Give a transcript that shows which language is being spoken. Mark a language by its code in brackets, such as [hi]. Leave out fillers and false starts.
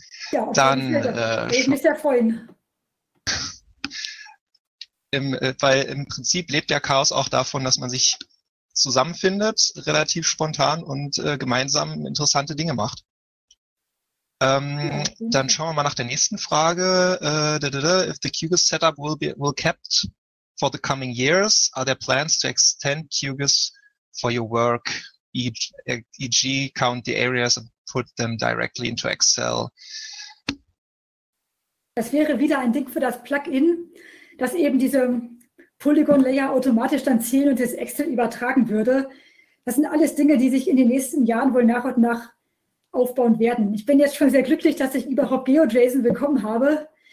[de] Ja, auf dann, ich würde mich sehr freuen. Weil im Prinzip lebt ja Chaos auch davon, dass man sich zusammenfindet, relativ spontan und gemeinsam interessante Dinge macht. Dann schauen wir mal nach der nächsten Frage. [en] If the QGIS setup will kept for the coming years, are there plans to extend QGIS for your work, e.g. count the areas and put them directly into Excel? [de] Das wäre wieder ein Ding für das Plugin, das eben diese Polygon-Layer automatisch dann zählen und das Excel übertragen würde. Das sind alles Dinge, die sich in den nächsten Jahren wohl nach und nach aufbauen werden. Ich bin jetzt schon sehr glücklich, dass ich überhaupt GeoJSON bekommen habe.